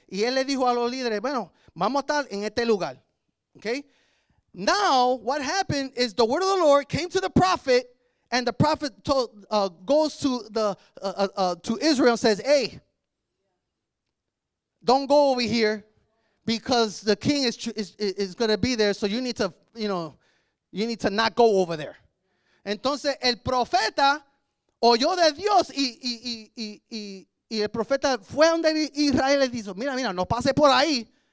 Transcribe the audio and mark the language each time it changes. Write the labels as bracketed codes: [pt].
[es] Y él le dijo a los líderes, bueno, vamos a estar en este lugar. [en] Okay? Now, what happened is the word of the Lord came to the prophet, and the prophet goes to to Israel and says, hey, don't go over here because the king is going to be there, so you need to not go over there. [es] Entonces, el profeta oyó de Dios y el profeta fue donde Israel y dijo, mira, no pase por ahí.